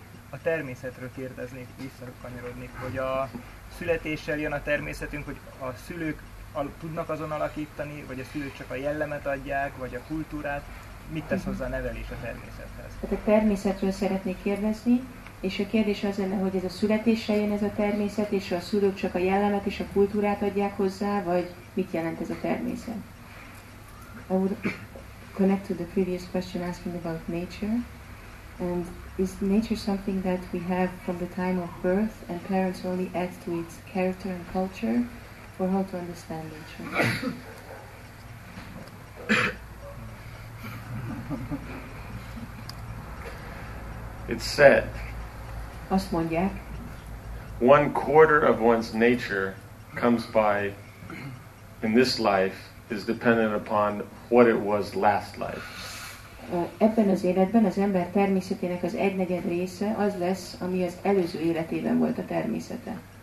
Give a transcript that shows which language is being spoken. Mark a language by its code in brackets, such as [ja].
[hu] A természetről kérdeznék, visszakanyarodnék, hogy a születéssel jön a természetünk, hogy a szülők tudnak azon alakítani, vagy a szülők csak a jellemet adják, vagy a kultúrát. Mit tesz hozzá a nevelés a természethez? Tehát a természetről szeretnék kérdezni. És a kérdés az lenne, hogy ez a születéssel jön ez a természet, és a szülők csak a jellemet és a kultúrát adják hozzá, vagy mit jelent ez a természet? [en] I would connect to the previous question asking about nature. And is nature something that we have from the time of birth and parents only add to its character and culture? Or how to understand nature? It's sad. [hu] Azt mondják. [en] One quarter of one's nature comes by in this life is dependent upon what it was last life. [hu] Ebben az életben az ember természetének az egynegyed része az lesz, ami az előző életében volt a természete.